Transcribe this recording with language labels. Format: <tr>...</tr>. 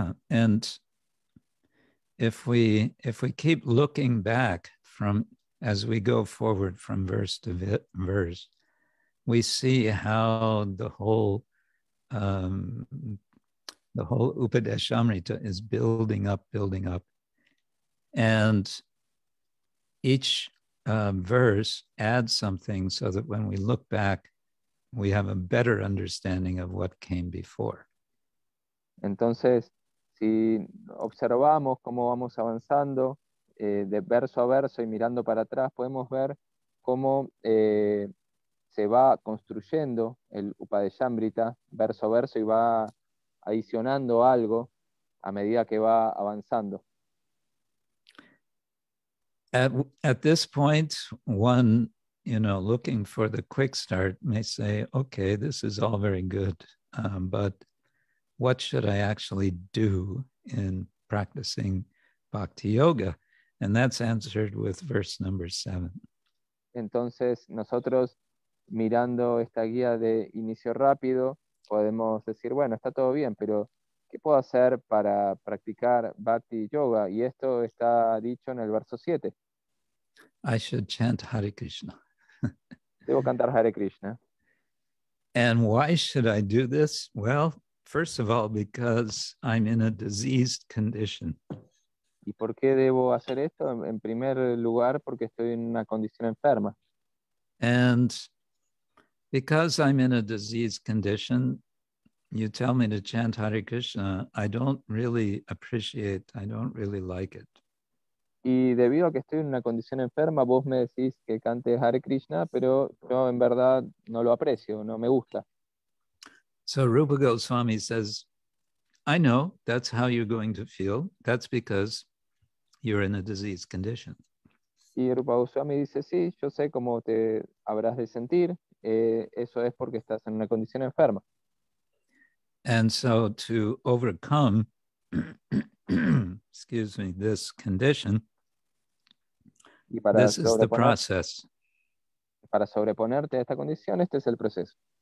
<en>And if we keep looking back from as we go forward from verse to verse, we see how the whole Upadesamrta is building up, and each verse adds something so that when we look back, we have a better understanding of what came before.</en> <es>Entonces, si observamos cómo vamos avanzando de verso a verso y mirando para atrás, podemos ver cómo se va construyendo el Upadesamrta verso a verso y va adicionando algo a medida que va avanzando.</es> <en>At this point, one, you know, looking for the quick start may say, okay, this is all very good, but what should I actually do in practicing bhakti yoga? And that's answered with verse number 7.</en> <es>Entonces, nosotros mirando esta guía de inicio rápido, podemos decir, bueno, está todo bien, pero ¿Qué puedo hacer para practicar Bhakti Yoga? Y esto está dicho en el verso 7.</es> <en>I should chant Hare Krishna.</en> <es>Debo cantar Hare Krishna.</es> <en>And why should I do this? Well, first of all, because I'm in a diseased condition.</en> <es>¿Y por qué debo hacer esto? En primer lugar, porque estoy en una condición enferma.</es> <en>And because I'm in a diseased condition, you tell me to chant Hare Krishna, I don't really appreciate, I don't really like it.</en> <es>Y debido a que estoy en una condición enferma, vos me decís que cante Hare Krishna, pero yo en verdad no lo aprecio, no me gusta.</es> <en>So Rupa Goswami says, I know, that's how you're going to feel, that's because you're in a diseased condition.</en> <es>Y Rupa Goswami dice, sí, yo sé cómo te habrás de sentir, eso es porque estás en una condición enferma.</es> <en>And so to overcome, excuse me, this condition,</en> <es>y para</es> <en>this is the process.</en> <es>Para sobreponerte a esta condición, este es el proceso.</es>